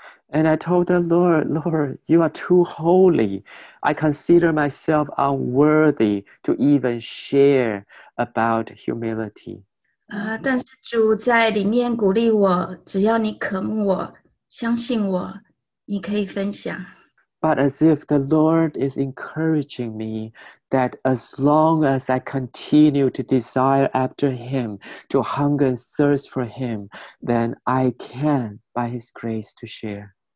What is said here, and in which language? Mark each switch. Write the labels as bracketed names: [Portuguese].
[English] And I told the Lord, Lord, you are too holy. I consider myself unworthy to even share about humility. [Chinese] 但是主在里面鼓励我，只要你渴慕我，相信我，你可以分享。 [English] But as if the Lord is encouraging me that as long as I continue to desire after Him, to hunger and thirst for Him, then I can, by His grace, to share.